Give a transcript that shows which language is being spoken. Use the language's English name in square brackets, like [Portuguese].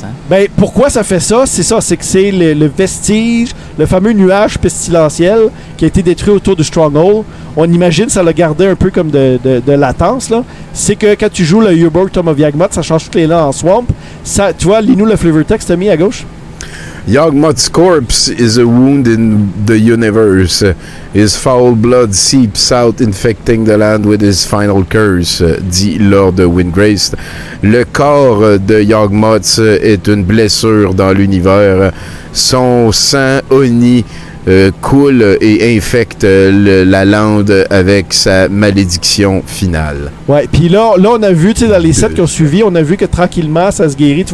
[French] Ben, pourquoi ça fait ça? C'est ça, c'est que c'est le vestige, le fameux nuage pestilentiel qui a été détruit autour du Stronghold. On imagine ça l'a gardé un peu comme de latence. Là. C'est que quand tu joues le Yurborg Tomb of Yagmoth, ça change toutes les lents en swamp. Ça, tu vois, lis-nous le flavor text t'as mis à gauche. [English] Yagmoth's corpse is a wound in the universe. His foul blood seeps out, infecting the land with his final curse, dit Lord Windgrace. [French] Le corps de Yagmoth est une blessure dans l'univers. Son sang honni coule et infecte la lande avec sa malédiction finale. Ouais, puis là, on a vu, tu sais, dans les sets qui ont suivi, on a vu que tranquillement, ça se guérit.